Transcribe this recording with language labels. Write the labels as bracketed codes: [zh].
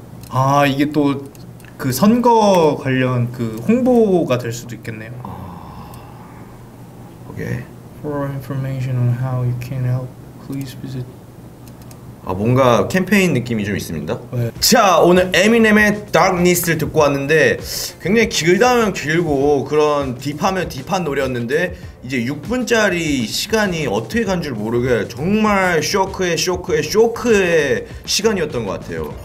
[ko] 아 이게 또 그 선거 관련 그 홍보가 될 수도 있겠네요. 아, 오케이. [en] For information on how you can help, please visit. [ko] 아 뭔가 캠페인 느낌이 좀 있습니다. 네. 자 오늘 에미넴의 Darkness를 듣고 왔는데 굉장히 길다면 길고 그런 딥하면 딥한 노래였는데 이제 6분짜리 시간이 어떻게 간 줄 모르게 정말 쇼크의 쇼크의 쇼크의 시간이었던 것 같아요.